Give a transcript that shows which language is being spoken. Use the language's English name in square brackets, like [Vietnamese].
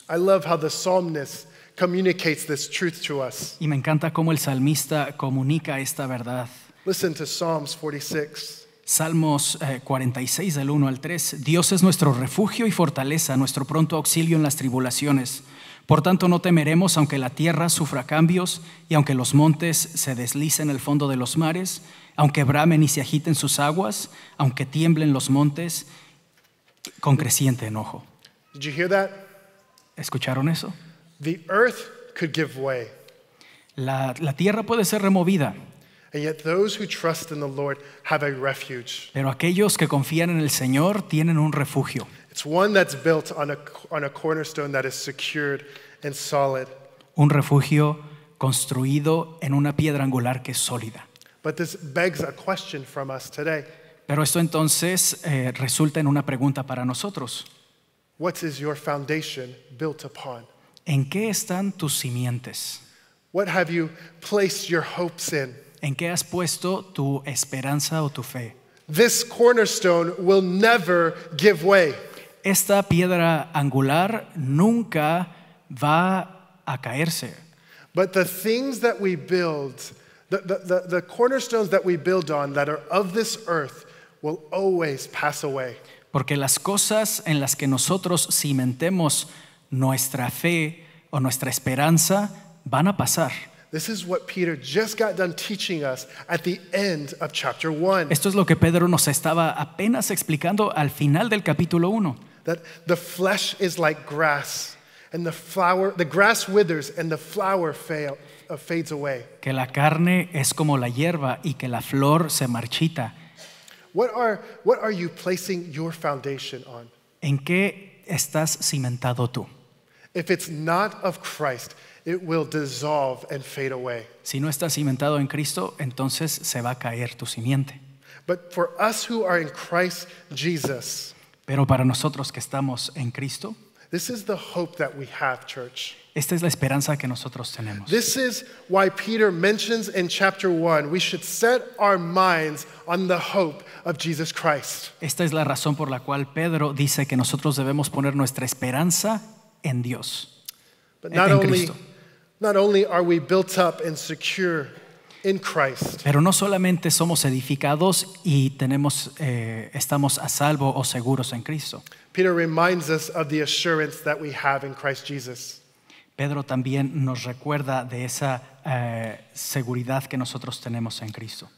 [English] I love how the psalmist communicates this truth to us. [Spanish] Y me encanta cómo el salmista comunica esta verdad. [English] Listen to Psalms 46. [Spanish] Salmos 46 del 1 al 3. Dios es nuestro refugio y fortaleza, nuestro pronto auxilio en las tribulaciones. Por tanto, no temeremos aunque la tierra sufra cambios y aunque los montes se deslicen en el fondo de los mares, aunque bramen y se agiten sus aguas, aunque tiemblen los montes con creciente enojo. [English] Did you hear that? [Spanish] ¿Escucharon eso? [English] The earth could give way. [Spanish] La tierra puede ser removida. [English] And yet those who trust in the Lord have a refuge. [Spanish] Pero aquellos que confían en el Señor tienen un refugio. [English] It's one that's built on a cornerstone that is secured and solid. [Spanish] Un refugio construido en una piedra angular que es sólida. [English] But this begs a question from us today. [Spanish] Pero esto entonces resulta en una pregunta para nosotros. [English] What is your foundation built upon? [Spanish] ¿En qué están tus simientes? [English] What have you placed your hopes in? [Spanish] ¿En qué has puesto tu esperanza o tu fe? [English] This cornerstone will never give way. [Spanish] Esta piedra angular nunca va a caerse. [English] But the things that we build, the cornerstones that we build on that are of this earth will always pass away. [Spanish] Porque las cosas en las que nosotros cimentemos nuestra fe o nuestra esperanza van a pasar. [English] This is what Peter just got done teaching us at the end of chapter 1. [Spanish] Esto es lo que Pedro nos estaba apenas explicando al final del capítulo 1. [English] That the flesh is like grass and the grass withers and the flower fades away. [Spanish] Que la carne es como la hierba y que la flor se marchita. [English] What are you placing your foundation on? [Spanish] ¿En qué estás cimentado tú? [English] If it's not of Christ, it will dissolve and fade away. [Spanish] Si no estás cimentado en Cristo, entonces se va a caer tu simiente. [English] But for us who are in Christ Jesus, [Spanish] pero para nosotros que estamos en Cristo, [English] this is the hope that we have, church. [Spanish] Esta es la esperanza que nosotros tenemos. [English] This is why Peter mentions in chapter 1, we should set our minds on the hope of Jesus Christ. [Spanish] Esta es la razón por la cual Pedro dice que nosotros debemos poner nuestra esperanza en Dios. [English] But not only are we built up and secure in Christ. [Spanish] Pero no solamente somos edificados y tenemos estamos a salvo o seguros en Cristo. [English] Peter reminds us of the assurance that we have in Christ Jesus. [Spanish] Pedro también nos recuerda de esa seguridad que nosotros tenemos en Cristo.